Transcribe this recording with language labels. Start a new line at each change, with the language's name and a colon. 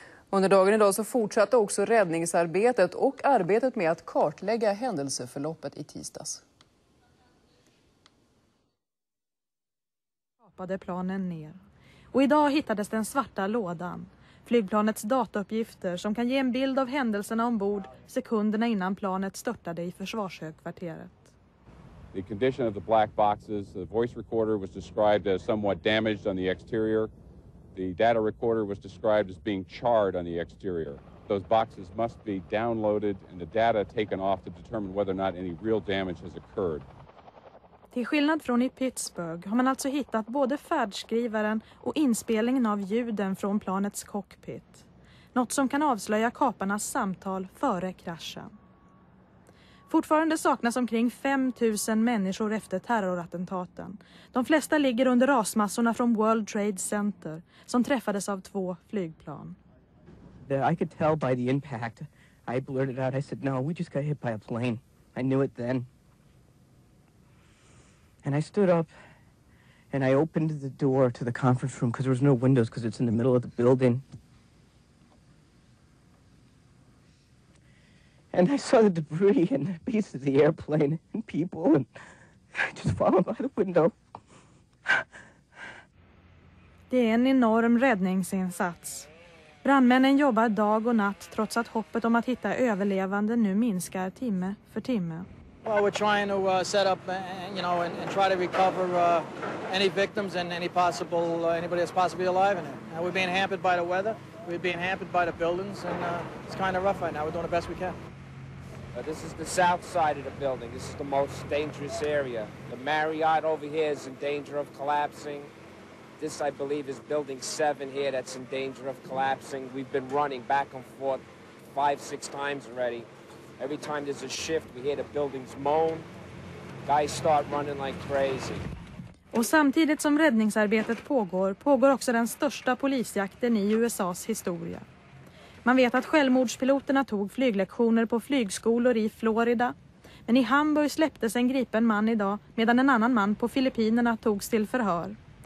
Swedish: Under dagen idag så fortsatte också räddningsarbetet och arbetet med att kartlägga händelseförloppet i tisdags. Kapade planen ner. Och idag hittades den svarta lådan. Flygplanets datauppgifter som kan ge en bild av händelserna ombord sekunderna innan planet störtade i försvarshögkvarteret.
English: The condition of the black boxes, the voice recorder was described as somewhat damaged on the exterior. The data recorder was described as being charred on the exterior. Those boxes must be downloaded and the data taken off to determine whether or not any real damage has occurred.
Swedish: Till skillnad från i Pittsburgh har man alltså hittat både färdskrivaren och inspelningen av ljuden från planets cockpit. Något som kan avslöja kaparnas samtal före kraschen. Fortfarande saknas omkring 5 000 människor efter terrorattentaten. De flesta ligger under rasmassorna från World Trade Center som träffades av två flygplan.
English: I could tell by the impact. I blurted out. I said, no, we just got hit by a plane. I knew it then. And I stood up and I opened the door to the conference room because there was no windows because it's in the middle of the building. And I saw the debris and the pieces of the airplane and people and I just followed by the window.
Swedish: Det är en enorm räddningsinsats. Brandmännen jobbar dag och natt trots att hoppet om att hitta överlevande nu minskar timme för timme.
English: Well, we're trying to set up, you know, and try to recover any victims and any possible anybody that's possibly alive in it. Now, we're being hampered by the weather, we're being hampered by the buildings, and it's kind of rough right now. We're doing the best we can. This is the south side of the building. This is the most dangerous area. The Marriott over here is in danger of collapsing. This, I believe, is building 7 here that's in danger of collapsing. We've been running back and forth 5-6 times already. Every time there's a shift we hear the buildings moan. Guys start running like crazy.
Swedish: Och samtidigt som räddningsarbetet pågår, pågår också den största polisjakten i USA:s historia. Man vet att självmordspiloterna tog flyglektioner på flygskolor i Florida, men i Hamburg släpptes en gripen man idag medan en annan man på Filippinerna togs till förhör.